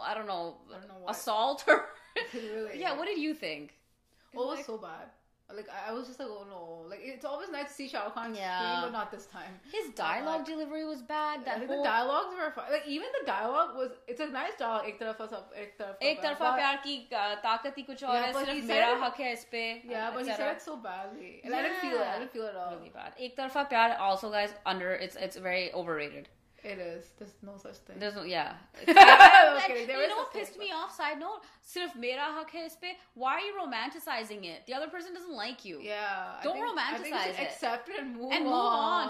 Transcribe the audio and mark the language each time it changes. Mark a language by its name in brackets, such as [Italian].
[English] I don't know what. Assault her. Really? Yeah, what did you think? Well, it was so bad. Like, I was just like, oh no. Like, it's always nice to see Shah Rukh Khan scream, but not this time. His dialogue delivery was bad. The dialogues were fine. Like, even the dialogue was, it's a nice dialogue. [Hindi] Ek tarfa sab, ek tarfa. एक तरफ़ा प्यार की ताक़त ही कुछ और है, सिर्फ़ मेरा हक़ है इसपे। [English] Yeah, but he said it so badly. And I didn't feel it. I didn't feel it at all. Really bad. [Hindi] Ek tarfa pyar [English] also, guys, it's very overrated. It is. There's no such thing. There's no, yeah. Like, you know what pissed me off? Side note, [Hindi] सिर्फ़ मेरा हक़ है इसपे। [English] Why are you romanticizing it? The other person doesn't like you. Yeah. Don't romanticize it. Accept it and move on.